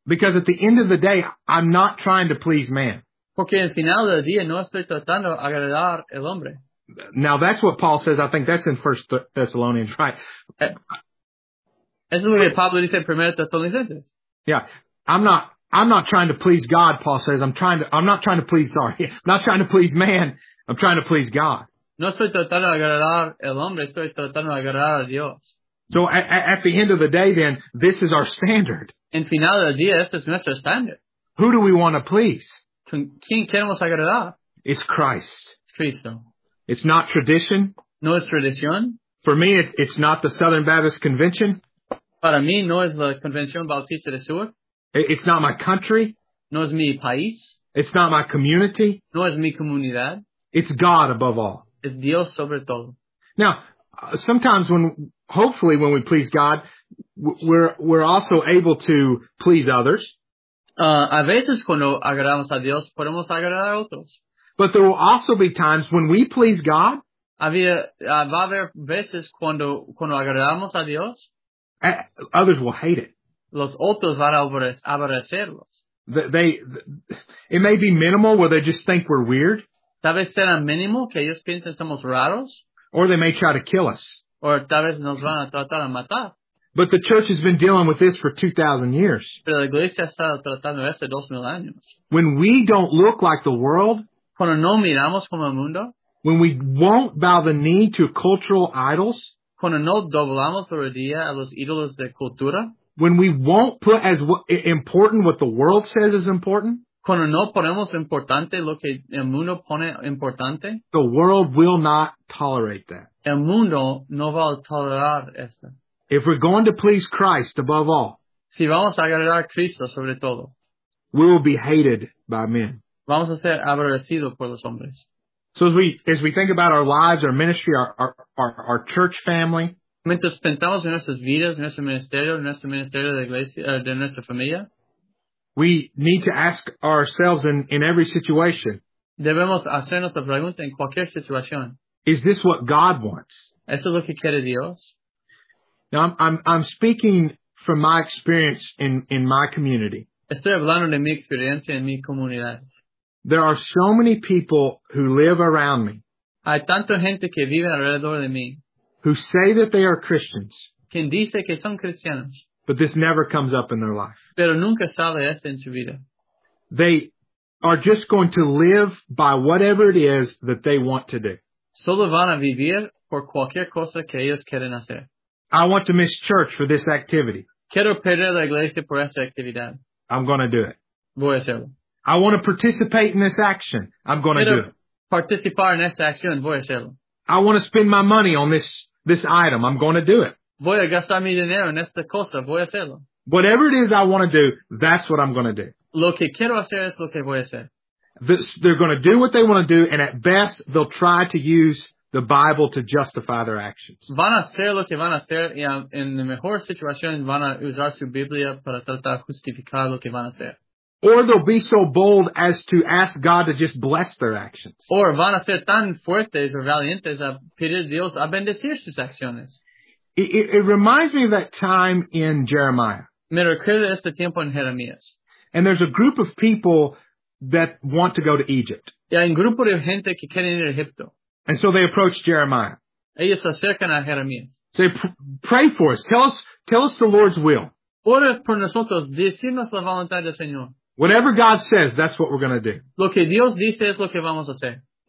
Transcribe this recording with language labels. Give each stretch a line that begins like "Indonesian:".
English: Because at the end of the day, I'm not trying to please man.
Spanish: Porque al final del día no estoy tratando de agradar al hombre.
English: Now that's what Paul says. I think that's in 1 Thessalonians, right?
Spanish: Eso es lo que Pablo dice en 1 Thessalonians.
English: Yeah, I'm not trying to please God, Paul says. I'm not trying to please man. I'm trying to please God.
Spanish: No estoy tratando de agradar al hombre, estoy tratando de agradar a Dios.
English: So at the end of the day, then, this is our standard.
Spanish: En final del día, este es nuestro standard.
English: Who do we want to please?
Spanish: ¿Con quién queremos agradar?
English: It's Christ.
Spanish: Es Cristo.
English: It's not tradition.
Spanish: No es tradición.
English: For me, it's not the Southern Baptist Convention.
Spanish: Para mí, no es la Convención Bautista del Sur.
English: It's not my country.
Spanish: No es mi país.
English: It's not my community.
Spanish: No es mi comunidad.
English: It's God above all.
Spanish: Es Dios sobre todo.
English: Now, sometimes when we please God, we're also able to please others.
Spanish: A veces cuando agradamos a Dios, podemos agradar a otros.
English: But there will also be times when we please God.
Spanish: Va a haber veces cuando agradamos a Dios.
English: Others will hate it.
Spanish: Los otros van a aborrecerlos.
English: It may be minimal where they just think we're weird.
Spanish: Tal vez sea mínimo que ellos piensen somos raros.
English: Or they may try to kill us.
Spanish: Or tal vez nos van a tratar de matar.
English: But the church has been dealing with this for 2,000 years.
Spanish: Pero la iglesia ha estado tratando esto 2,000 años.
English: When we don't look like the world.
Spanish: Cuando no miramos como el mundo.
English: When we won't bow the knee to cultural idols.
Spanish: Cuando no doblamos la rodilla a los ídolos de cultura.
English: When we won't put as important what the world says is important.
Spanish: Cuando no ponemos importante lo que el mundo pone importante.
English: The world will not tolerate that.
Spanish: El mundo no va a tolerar esto.
English: If we're going to please Christ above all.
Spanish: Si vamos a agradar a Cristo sobre todo.
English: We will be hated by men.
Spanish: Vamos a ser aborrecidos por los hombres.
English: So as we think about our lives, our ministry, our church family.
Spanish: Mientras pensamos en nuestras vidas, nuestro ministerio de iglesia, de nuestra familia,
English: we need to ask ourselves in every situation.
Spanish: Debemos hacernos la pregunta en cualquier situación.
English: Is this what God wants?
Spanish: ¿Eso es lo que quiere Dios?
English: Now I'm speaking from my experience in my community.
Spanish: Estoy hablando de mi experiencia en mi comunidad.
English: There are so many people who live around me.
Spanish: Hay tanta gente que vive alrededor de mí.
English: Who say that they are Christians.
Spanish: Quien dice que son cristianos.
English: But this never comes up in their life.
Spanish: Pero nunca sale esto en su vida.
English: They are just going to live by whatever it is that they want to do.
Spanish: Solo van a vivir por cualquier cosa que ellos quieren hacer.
English: I want to miss church for this activity.
Spanish: Quiero perder la iglesia por esta actividad.
English: I'm going to do it.
Spanish: Voy a hacerlo.
English: I want to participate in this action. I'm going to do it.
Spanish: Participar en esta acción. Voy a hacerlo.
English: I want to spend my money on this item. I'm going to do it.
Spanish: Voy a gastar mi dinero en esta cosa. Voy a hacerlo.
English: Whatever it is I want to do, that's what I'm going to do.
Spanish: Lo que quiero hacer es lo que voy a hacer.
English: They're going to do what they want to do, and at best, they'll try to use the Bible to justify their actions.
Spanish: Van a hacer lo que van a hacer, y en la mejor situación van a usar su Biblia para tratar de justificar lo que van a hacer.
English: Or they'll be so bold as to ask God to just bless their actions.
Spanish: Or van a ser tan fuertes o valientes a pedir a Dios a bendecir sus acciones.
English: It reminds me of that time in Jeremiah.
Spanish: Me recuerda este tiempo en Jeremías.
English: And there's a group of people that want to go to Egypt.
Spanish: Y hay un grupo de gente que quieren ir a Egipto.
English: And so they approach Jeremiah.
Spanish: Ellos se acercan a Jeremías.
English: Say, pray for us. Tell us the Lord's will.
Spanish: Ora por nosotros. Decirnos la voluntad del Señor.
English: Whatever God says, that's what we're going to do.
Spanish: Lo que Dios dice es lo que vamos a hacer.